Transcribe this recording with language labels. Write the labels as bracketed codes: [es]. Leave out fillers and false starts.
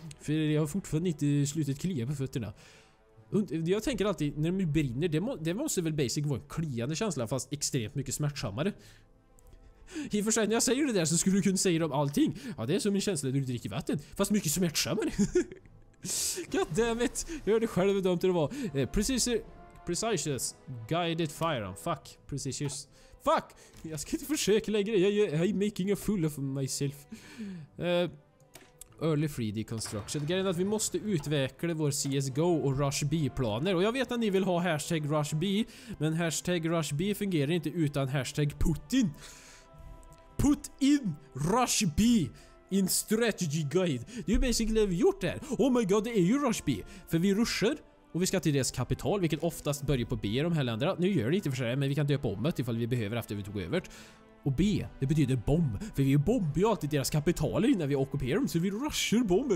[sv] För jag har fortfarande inte slutat klia på fötterna. Jag tänker alltid, när de brinner, det måste väl basic vara en kliande känsla, fast extremt mycket smärtsammare. I och för sig, när jag säger det där så skulle du kunna säga det om allting. Ja, det är som en känsla när du dricker vatten. Fast mycket smärtsammare. [en] Goddammit, [sv] jag hörde själv dumt det var. [en] Precisious guided firearm. Fuck, [sv] precisious. [en] Fuck, [sv] jag ska inte försöka längre. [en] I'm making a fool of myself. Early 3D construction. [sv] Grejen är att vi måste utveckla vår CSGO och Rush B-planer. Och jag vet att ni vill ha hashtag Rush B, men hashtag Rush B fungerar inte utan hashtag Putin. [en] Put in Rush B in strategy guide. [sv] Det är ju basically vi gjort det här. [en] Oh my god, [sv] det är ju Rush B. För vi rusher och vi ska till deras kapital, vilket oftast börjar på B i de här länderna. Nu gör det inte för sig, men vi kan döpa om det ifall vi behöver efter vi tog över. Och B, det betyder bomb. För vi bombar ju alltid deras kapitaler innan vi ockuperar dem. Så vi rusher bomber.